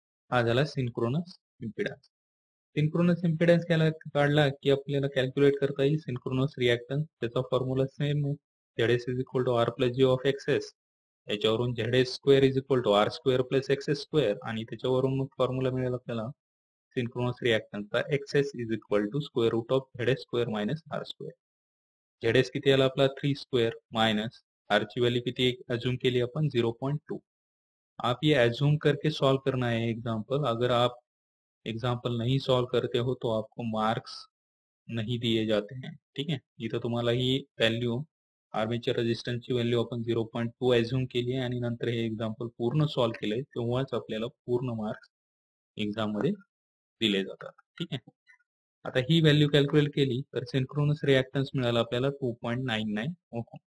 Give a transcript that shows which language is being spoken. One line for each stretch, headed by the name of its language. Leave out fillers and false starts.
Marathi: हा झाला synchronous impedance. Synchronous impedance काढला की आपल्याला कॅल्क्युलेट करता येईल सिंक्रोनस रिएक्टन्स, त्याचा फॉर्म्युला सेम आहे, ZS is equal to R+G(XS), याच्यावरून ZS² is equal to R² + XS² आणि त्याच्यावरून मग फॉर्म्युला मिळेल आपल्याला synchronous रिएक्टन्सचा, XS is equal to √ZS² - R². ZS किती आला आपला 3² मायनस R ची व्हॅल्यू किती अज्यूम केली आपण 0.2।
Hindi: आप ये अज्यूम करके सॉल्व करना है एग्जाम्पल, अगर आप एग्जाम्पल नहीं सॉल्व करते हो तो आपको मार्क्स नहीं दिए जाते हैं।
Marathi: ठीक है, इथे तुम्हाला ही व्हॅल्यू आर्मेचर रेजिस्टन्स ची व्हॅल्यू आपण 0.2 एज्यूम केली आहे आणि नंतर हे एक्झाम्पल पूर्ण सॉल्व केले तेव्हाच आपल्याला पूर्ण मार्क्स एक्झाम मध्ये दिले जातात। ठीक आहे, आता ही व्हॅल्यू कॅल्क्युलेट केली तर सिंक्रोनस रिएक्टन्स मिळाला आपल्याला 2.99 ओहम।